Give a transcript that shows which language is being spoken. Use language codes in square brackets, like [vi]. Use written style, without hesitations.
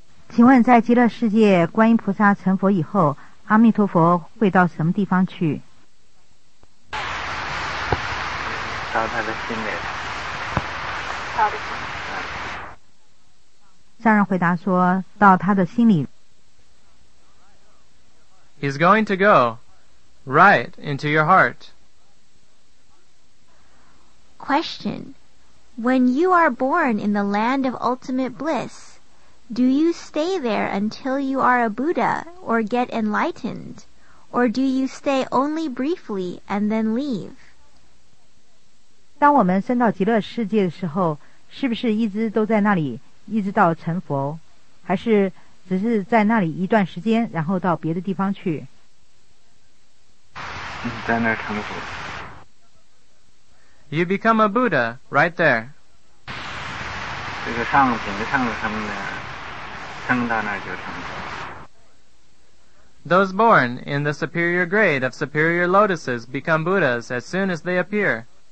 [zh] 请问在极乐世界观音菩萨成佛以后，阿弥陀佛会到什么地方去？到他的心里。到的心里。三人回答说，到他的心里。 [en] He's going to go right into your heart. Question. When you are born in the land of ultimate bliss, do you stay there until you are a Buddha or get enlightened, or do you stay only briefly and then leave? [zh] 当我们生到极乐世界的时候，是不是一直都在那里，一直到成佛，还是只是在那里一段时间，然后到别的地方去。在那儿成佛。 [en] You become a Buddha right there. [zh] 这个上品上什么的，升到那儿就成佛。 [en] Those born in the superior grade of superior lotuses become Buddhas as soon as they appear.